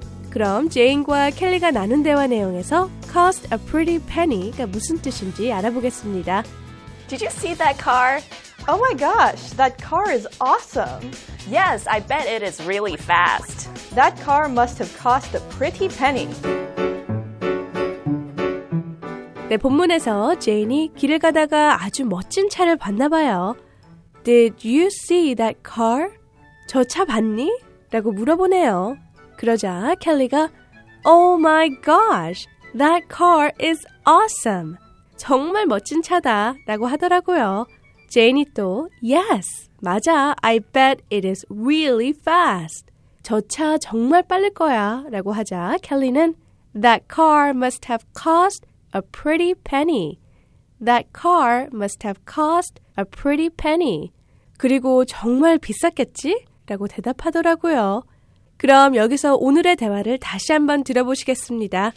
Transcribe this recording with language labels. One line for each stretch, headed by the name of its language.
Korean: 그럼 제인과 켈리가 나눈 대화 내용에서 cost a pretty penny가 무슨 뜻인지 알아보겠습니다.
English: Did you see that car? Oh my gosh, that car is awesome. Yes, I bet it is really fast. That car must have cost a pretty penny.
Korean: 네, 본문에서 제인이 길을 가다가 아주 멋진 차를 봤나 봐요.
English: Did you see that car?
Korean: 저 차 봤니? 라고 물어보네요. 그러자 켈리가
English: Oh my gosh, that car is awesome.
Korean: 정말 멋진 차다 라고 하더라고요. 제인이 또
English: Yes,
Korean: 맞아.
English: I bet it is really fast.
Korean: 저 차 정말 빠를 거야 라고 하자 켈리는
English: That car must have cost a pretty penny. That car must have cost a pretty penny.
Korean: 그리고 정말 비쌌겠지? 라고 대답하더라고요. 그럼 여기서 오늘의 대화를 다시 한번 들어보시겠습니다.